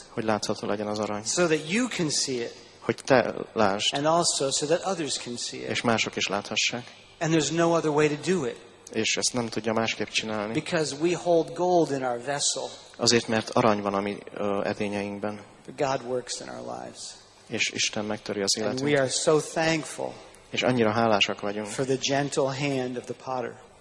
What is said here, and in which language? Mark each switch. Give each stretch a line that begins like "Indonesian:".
Hungarian: Hogy látható legyen az arany.
English: So that you can see it.
Hungarian: Hogy te lásd.
English: And also so that others can see it.
Hungarian: És mások is láthassák.
English: And there's no other way to do it.
Hungarian: És ezt nem tudja másképp csinálni.
English: Because we hold gold in our vessel.
Hungarian: Azért, mert arany van a mi edényeinkben.
English: But God works in our lives.
Hungarian: És Isten megtöri az életünket.
English: And we are so thankful.
Hungarian: És annyira hálásak vagyunk.
English: For the gentle hand of the potter.